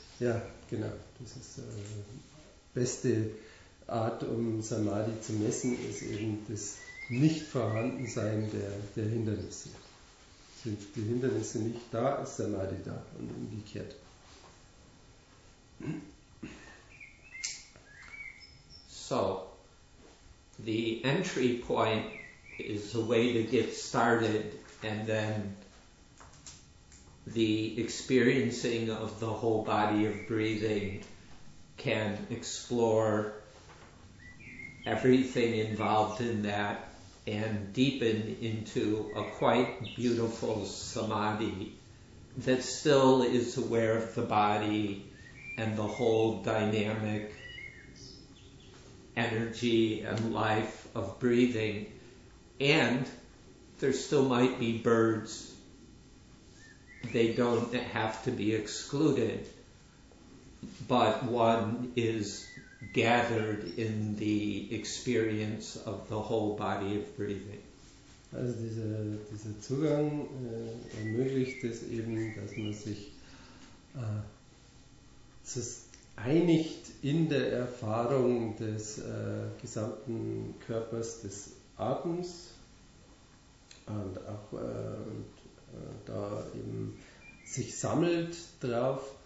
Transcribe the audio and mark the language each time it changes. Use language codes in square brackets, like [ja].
[de] Ja, genau. Das ist beste Art, um Samadhi zu messen, ist eben das Nicht-Vorhandensein der Hindernisse. Sind die Hindernisse nicht da, ist Samadhi da und umgekehrt. [en] So, the entry point is a way to get started, and then the experiencing of the whole body of breathing can explore everything involved in that and deepen into a quite beautiful samadhi that still is aware of the body and the whole dynamic energy and life of breathing. And there still might be birds. They don't have to be excluded, but one is gathered in the experience of the whole body of breathing. [de] Also dieser Zugang ermöglicht es eben, dass man sich einigt in der Erfahrung des gesamten Körpers, des Atems, und auch da eben sich sammelt drauf.